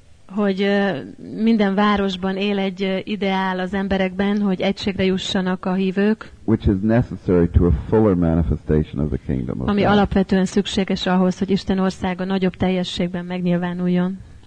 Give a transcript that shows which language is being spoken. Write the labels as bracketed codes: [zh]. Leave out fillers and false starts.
[hu] Hogy minden városban él egy ideál az emberekben, hogy egységre jussanak a hívők. [en] Which is necessary to a fuller manifestation of the kingdom of God. [hu] Ami alapvetően szükséges ahhoz, hogy Isten országa nagyobb teljességben megnyilvánuljon.